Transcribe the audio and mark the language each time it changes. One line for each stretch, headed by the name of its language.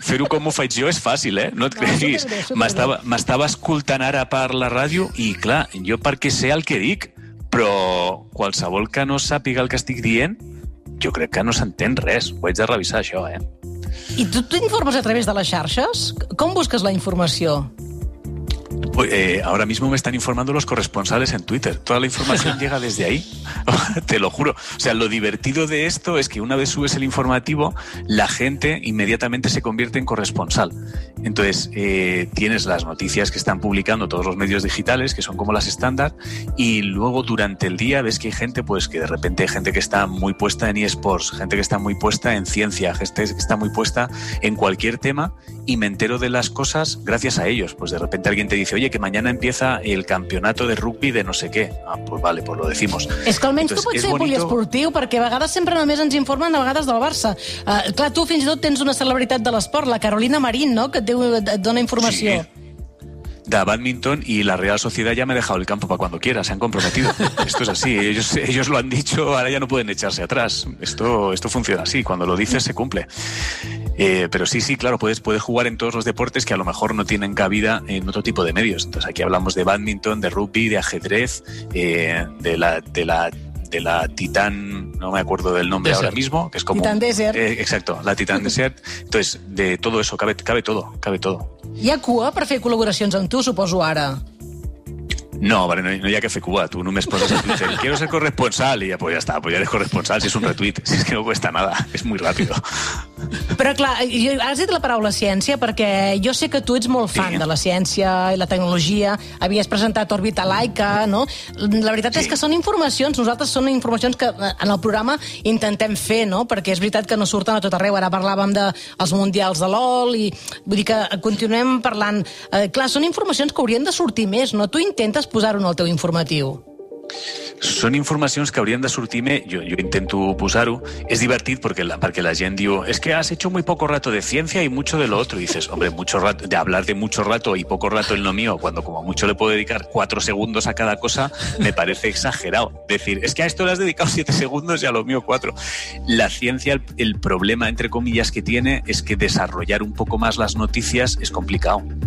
Catalan: Fer-ho com ho faig jo és fàcil, eh? No et creguis. M'estava escoltant ara per la ràdio i, clar, jo perquè sé el que dic, però qualsevol que no sàpiga el que estic dient, jo crec que no s'entén res. Ho haig de revisar, això, eh? I tu informes a través de les xarxes? Com busques la informació?
Spanish: Ahora mismo me están informando los corresponsales en Twitter. Toda la información llega desde ahí. Te lo juro. O sea, lo divertido de esto es que una vez subes el informativo, la gente inmediatamente se convierte en corresponsal. Entonces, tienes las noticias que están publicando todos los medios digitales, que son como las estándar, y luego durante el día ves que hay gente, pues que de repente hay gente que está muy puesta en eSports, gente que está muy puesta en ciencia, gente que está muy puesta en cualquier tema, y me entero de las cosas gracias a ellos. Pues de repente alguien te dice, oye, que mañana empieza el campeonato de rugby de no sé qué. Ah, pues vale, pues lo decimos.
Catalan: És que almenys entonces, tu pots ser poliesportiu, perquè a vegades sempre només ens informen a vegades del Barça. Clar, tu fins i tot tens una celebritat de l'esport, la Carolina Marín, no?, que et dona informació. Sí.
Spanish: De badminton y la Real Sociedad ya me ha dejado el campo para cuando quiera, se han comprometido. Esto es así, ellos lo han dicho, ahora ya no pueden echarse atrás. Esto funciona así, cuando lo dices se cumple. Pero sí, claro, puedes jugar en todos los deportes que a lo mejor no tienen cabida en otro tipo de medios. Entonces aquí hablamos de badminton, de rugby, de ajedrez, de la de la Titan, no me acuerdo del nombre Desert. Ahora mismo, que es como Titan Desert. Exacto, la Titan Desert. Entonces, de todo eso cabe todo.
Catalan: Hi ha cua per fer col·laboracions amb tu, suposo, ara? No, vale, no hi ha que fer cua. Tu només poses el Twitter.
Spanish: Quiero ser corresponsal.
Catalan: I ja, pues ja està, pues ja eres corresponsal. Si és un retuit, si és que
Spanish: no cuesta nada.
Catalan: És muy ràpido. Però clar, has dit la paraula ciència perquè jo sé que tu ets molt fan sí. de la ciència i la tecnologia. Havies presentat Orbita Laica, no? La veritat sí. és que són informacions, nosaltres són informacions que en el programa intentem fer, no? Perquè és veritat que no surten a tot arreu. Ara parlàvem dels mundials de LOL i vull dir que continuem parlant. Clar, són informacions que haurien de sortir més, no? Tu intentes posar-ho en el teu informatiu. Són informacions que haurien de sortir més. Jo intento posar-ho. És divertit perquè la gent diu
Spanish: es que has hecho muy poco rato de ciencia y mucho de lo otro. Y dices, hombre, mucho rato, de hablar de mucho rato y poco rato en lo mío, cuando como mucho le puedo dedicar 4 segundos a cada cosa, me parece exagerado. Decir, es que a esto le has dedicado 7 segundos y a lo mío 4. La ciencia, el problema, entre comillas, que tiene es que desarrollar un poco más las noticias es complicado.